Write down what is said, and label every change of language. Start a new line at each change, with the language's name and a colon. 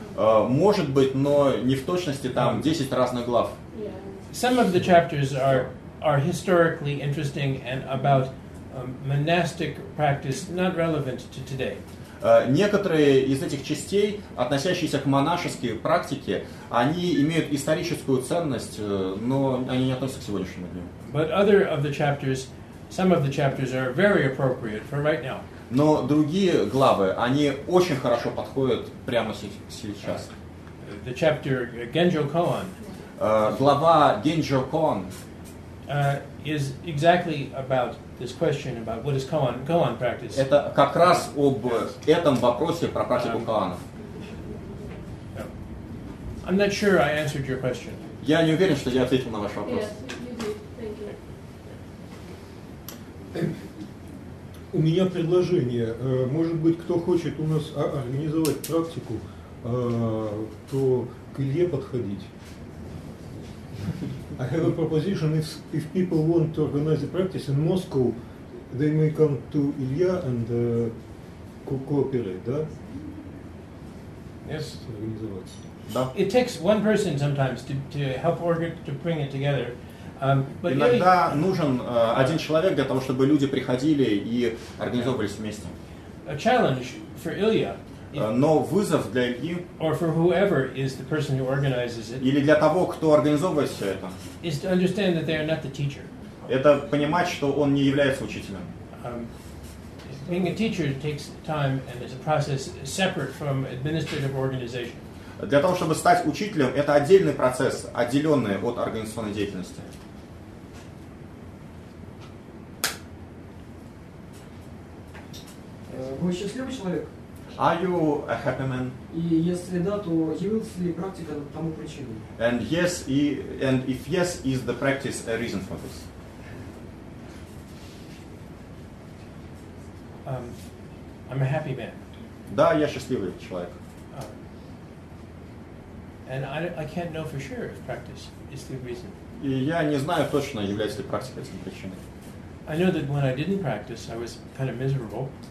Russian: Может быть, но не в точности там 10 разных глав.
English: Some of the chapters are historically interesting and about monastic practice, not relevant to today.
Russian: Некоторые из этих частей, относящиеся к монашеской практике, они имеют историческую ценность, но они не относятся к сегодняшнему дню.
English: But other of the chapters, some of the chapters are very appropriate for right now.
Russian: Но другие главы, они очень хорошо подходят прямо сейчас.
English: The chapter Genjo Koan.
Russian: Глава Genjo Koan
English: is exactly about this question about what is koan practice.
Russian: Это как раз об этом вопросе про практику коана.
English: I'm not sure I answered your question.
Russian: Я не уверен, что я ответил на ваш вопрос.
English: Yes, you did. Thank you.
Russian: У меня предложение. Может быть, кто хочет у нас организовать практику, то к Илье подходить.
English: I have a proposition. If people want to organize a practice in Moscow, they may come to Ilya and cooperate,
Russian: да?
English: Yes.
Russian: Да.
English: It takes one person sometimes to help organize, to bring it together. But
Russian: иногда нужен один человек для того, чтобы люди приходили и организовывались вместе.
English: A challenge for Ilya.
Russian: Но вызов для Ильи,
English: or for whoever is the person who organizes it,
Russian: или для того, кто организовывает все это,
English: is to understand that they are not the teacher.
Russian: Это понимать, что он не является учителем.
English: Being a teacher takes time and is a process separate from administrative organization.
Russian: для того, чтобы стать учителем, это отдельный процесс, отделенный от организационной деятельности. Вы счастливый человек?
English: Are you a happy man?
Russian: И если да, то является ли практика тому причиной?
English: And yes, and if yes, is the practice a reason for this? I'm a happy man.
Russian: Да, я счастливый человек.
English: And I can't know for sure if practice is the reason.
Russian: И я не знаю точно, является ли практика этим причиной.
English: I know that when I didn't practice, I was kind of miserable.